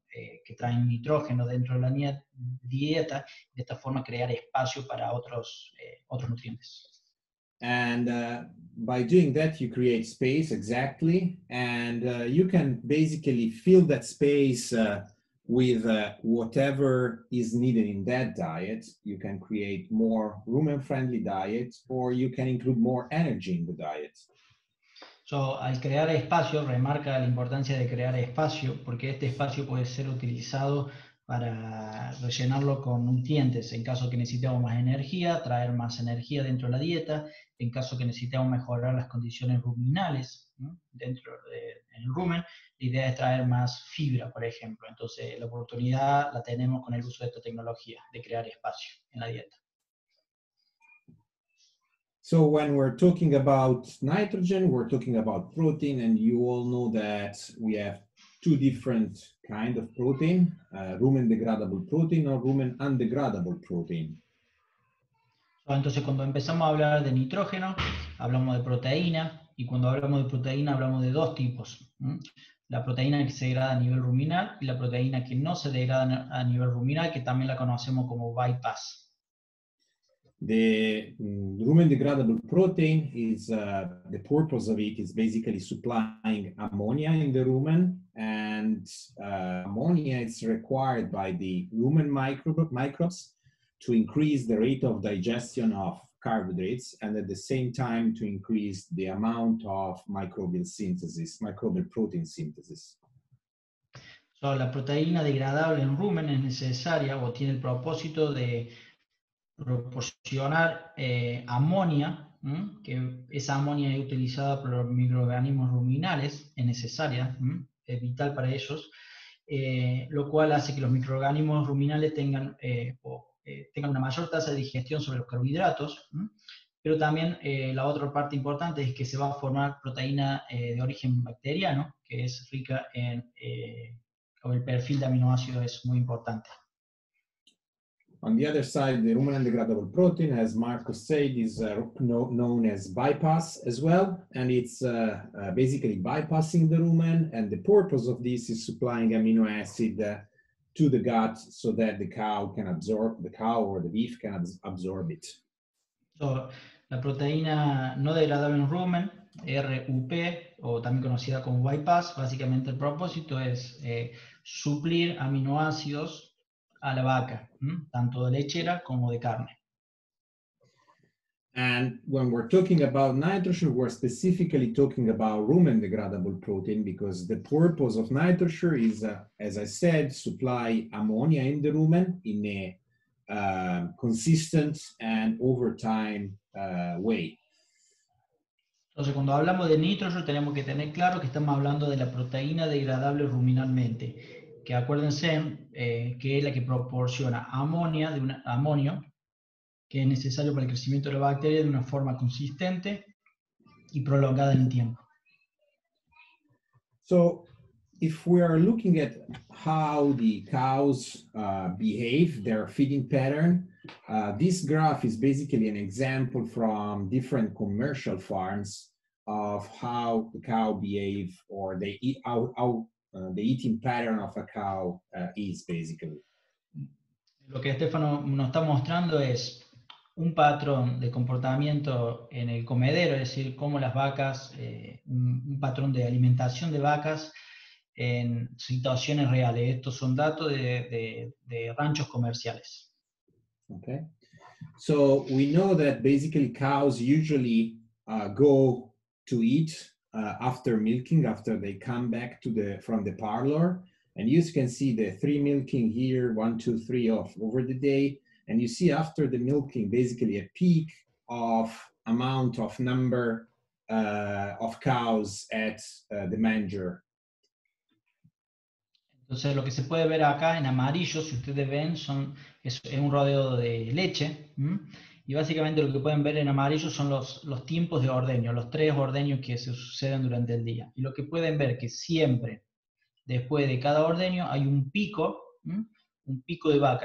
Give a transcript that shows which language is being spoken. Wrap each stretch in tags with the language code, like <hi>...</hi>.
<es>que traen nitrógeno dentro de la dieta, de esta forma crear espacio para otros, otros nutrientes.</es> <en>And by doing that, you create space, exactly. And you can basically fill that space with whatever is needed in that diet. You can create more rumen-friendly diet, or you can include more energy in the diet.</en> <es>So, al crear espacio, remarca la importancia de crear espacio, porque este espacio puede ser utilizado para rellenarlo con nutrientes. En caso que necesitemos más energía, traer más energía dentro de la dieta. En caso que necesitemos mejorar las condiciones ruminales, ¿no?, dentro del rumen, la idea es traer más fibra, por ejemplo. Entonces, la oportunidad la tenemos con el uso de esta tecnología, de crear espacio en la dieta.</es> <en>So when we're talking about nitrogen, we're talking about protein, and you all know that we have two different kinds of protein, rumen degradable protein or rumen undegradable protein.</en> <es>Entonces, cuando empezamos a hablar de nitrógeno, hablamos de proteína, y cuando hablamos de proteína, hablamos de dos tipos. La proteína que se degrada a nivel ruminal y la proteína que no se degrada a nivel ruminal, que también la conocemos como bypass.</es> <en>The rumen degradable protein is the purpose of it is basically supplying ammonia in the rumen, and ammonia is required by the rumen microbes to increase the rate of digestion of carbohydrates and at the same time to increase the amount of microbial synthesis, microbial protein synthesis.</en> <es>So, la proteína degradable en rumen es necesaria o tiene el propósito de proporcionar amonía, que esa amonía es utilizada por los microorganismos ruminales, es necesaria, es vital para ellos, lo cual hace que los microorganismos ruminales tengan, tengan una mayor tasa de digestión sobre los carbohidratos, pero también la otra parte importante es que se va a formar proteína de origen bacteriano, que es rica en, o el perfil de aminoácidos es muy importante.</es> <en>On the other side, the rumen undegradable protein, as Marco said, is known as bypass as well, and it's basically bypassing the rumen, and the purpose of this is supplying amino acid to the gut so that the cow can absorb, the cow or the beef can absorb it.</en> <es>So, la proteína no degradable en rumen, RUP, o también conocida como bypass, básicamente el propósito es suplir aminoácidos a la vaca, tanto de lechera como de carne.</es> <en>And when we're talking about NitroSure, we're specifically talking about rumen degradable protein because the purpose of NitroSure is, as I said, supply ammonia in the rumen in a consistent and over time way.</en> <es>Entonces, cuando hablamos de NitroSure, tenemos que tener claro que estamos hablando de la proteína degradable ruminalmente. Que acuérdense que es la que proporciona amonía de un amonio que es necesario para el crecimiento de la bacteria de una forma consistente y prolongada en el tiempo.</es> <en>So, if we are looking at how the cows behave, their feeding pattern, this graph is basically an example from different commercial farms of how the cow behave or they eat, how the eating pattern of a cow is basically.</en> <es>Lo que Stefano nos está mostrando es un patrón de comportamiento en el comedero, es decir, cómo las vacas, un patrón de alimentación de vacas en situaciones reales. Estos son datos de ranchos comerciales.</es> <en>Okay. So we know that basically cows usually go to eat after milking, after they come back to the from the parlor, and you can see the three milking here, one, two, three off over the day, and you see after the milking basically a peak of amount of number of cows at the manger.</en> <es>Entonces lo que se puede ver acá en amarillo, si ustedes ven, son es un rodeo de leche. Y básicamente lo que pueden ver en amarillo son los tiempos de ordeño, los tres ordeños que se suceden durante el día. Y lo que pueden ver que siempre, después de cada ordeño, hay un pico, un pico de vaca.</es>